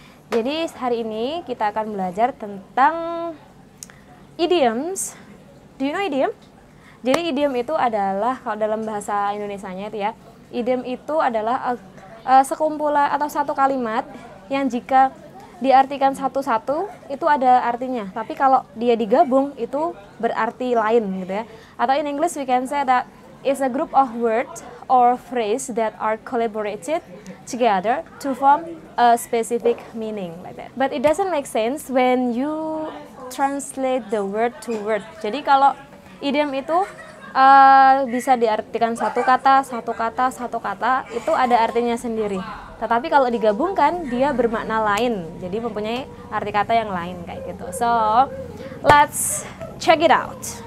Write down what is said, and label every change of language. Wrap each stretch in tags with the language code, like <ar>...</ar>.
<id>Jadi hari ini kita akan belajar tentang idioms.</id> <en>Do you know idiom?</en> <id>Jadi idiom itu adalah, kalau dalam bahasa Indonesianya itu ya, idiom itu adalah sekumpulan atau satu kalimat yang jika diartikan satu-satu itu ada artinya. Tapi kalau dia digabung itu berarti lain gitu ya.</id> <en>Atau in English we can say that it's a group of words or phrase that are collaborated together to form a specific meaning like that. But it doesn't make sense when you translate the word to word.</en> <id>Jadi kalau idiom itu bisa diartikan satu kata, satu kata, satu kata, itu ada artinya sendiri. Tetapi kalau digabungkan, dia bermakna lain. Jadi mempunyai arti kata yang lain kayak gitu.</id> <en>So, let's check it out.</en>